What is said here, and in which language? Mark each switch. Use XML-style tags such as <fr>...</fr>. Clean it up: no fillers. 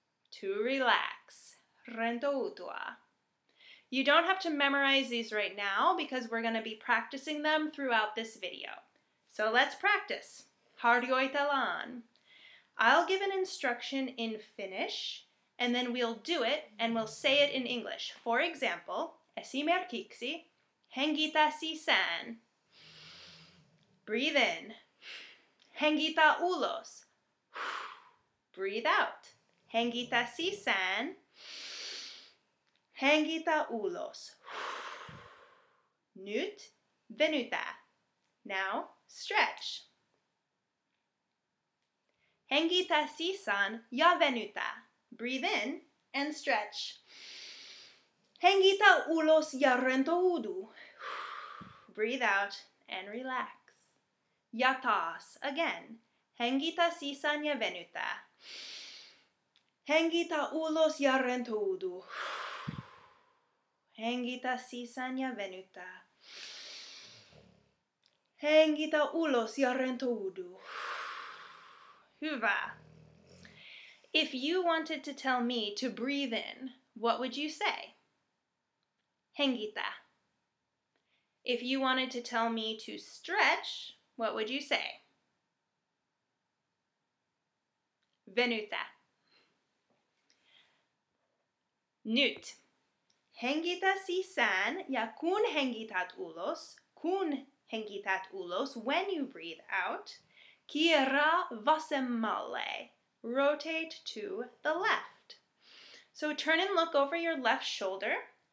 <en>To relax.</en> <fi>Rentoutua.</fi> <en>You don't have to memorize these right now because we're going to be practicing them throughout this video. So let's practice.</en> <fi>Harjoitellaan.</fi> <en>I'll give an instruction in Finnish and then we'll do it and we'll say it in English. For example,</en> <fi>esimerkiksi, hengitä sisään.</fi> <en>Breathe in.</en> <fi>Hengitä ulos.</fi> <en>Breathe out.</en> <fi>Hengitä sisään. Hengitä ulos. Nyt venytä.</fi> <en>Now stretch.</en> <fi>Hengitä sisään ja venytä.</fi> <en>Breathe in and stretch.</en> <fi>Hengitä ulos ja rentoudu.</fi> <en>Breathe out and relax.</en> <fi>Ja taas,</fi> <en>again.</en> <fi>Hengitä sisään ja venytä. Hengitä ulos ja rentoudu. Hengitä sisään ja venytä. Hengitä ulos ja rentoudu. Hyvä.</fi> <en>If you wanted to tell me to breathe in, what would you say?</en> <fi>Hengitä.</fi> <en>If you wanted to tell me to stretch, what would you say?</en> <fi>Venytä. Nyt. Hengitä sisään ja kun hengität ulos,</fi> <en>when you breathe out,</en> <fi>kierrä vasemmalle,</fi> <en>rotate to the left. So turn and look over your left shoulder.</en>